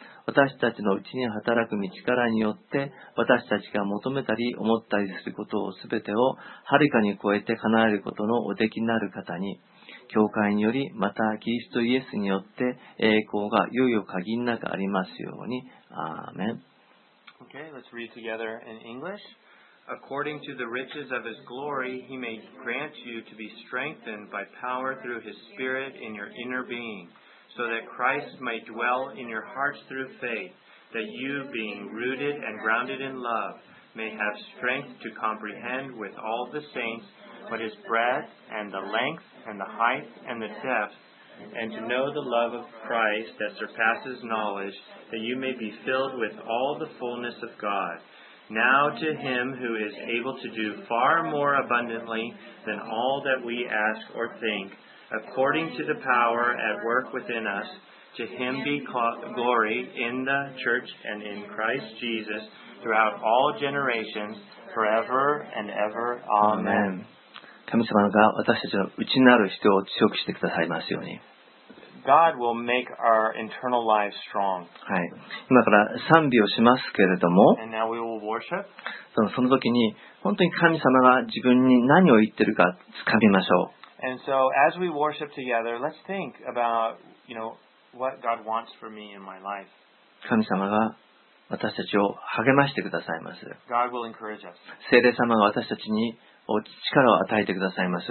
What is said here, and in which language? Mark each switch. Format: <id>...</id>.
<ja>私たちのうちに働く御力によって私たちが求めたり思ったりすることをすべてをはるかに超えて叶えることのおできになる方に、教会によりまたキリストイエスによって栄光がいよいよ限りなくありますように。アーメン。</ja> <en>Okay, let's read together in English. According to the riches of his glory, he may grant you to be strengthened by power through his spirit in your inner being. So that Christ might dwell in your hearts through faith, that you, being rooted and grounded in love, may have strength to comprehend with all the saints what is breadth and the length and the height and the depth, and to know the love of Christ that surpasses knowledge, that you may be filled with all the fullness of God. Now to him who is able to do far more abundantly than all that we ask or think,According to the power at work within us, to him be glory in the church and in Christ Jesus throughout all generations, forever and ever. Amen.</en> <ja>神様が私たちの内なる人を強くしてくださいますように。</ja> <en>God will make our internal lives strong.</en> <ja>はい。今から賛美をしますけれども、</ja> <en>And now we will worship.</en> <ja>その時に本当に神様が自分に何を言ってるかつかみましょう。</ja> <en>And so, as we worship together, let's think about, you know, what God wants for me in my life.</en> <ja>神様が私たちを励ましてくださいます。</ja> <en>God will encourage us.</en> <ja>聖霊様が私たちに力を与えてくださいます。</ja>